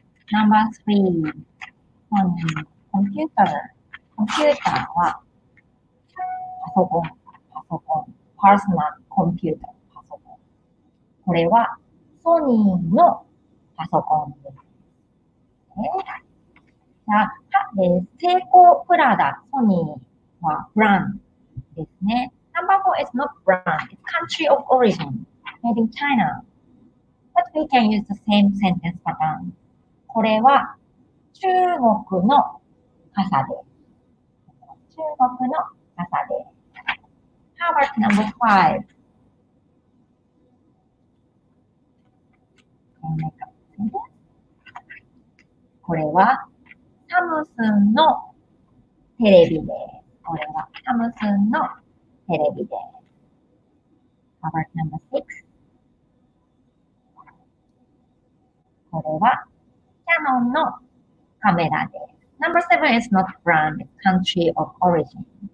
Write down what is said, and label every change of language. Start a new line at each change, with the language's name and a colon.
Japanese: ナンバースリー、コンピューターはパソコン、パーソナルコンピューター、パソコン。これはソニーのパソコンです。じゃあ、セイコープラダ、ソニーはブランドですね。
English: ナンバーフォー is not brand, it's country of origin, made in China. But we can use the same sentence pattern.
Japanese: これは中国の傘です。中国の傘です。
English: How about number five?
Japanese: これはサムスンのテレビです。これはサムスンのテレビです。
English: How about number six?
Japanese: これはキヤノンのカメラです。
English: Number seven is not brand, country of origin.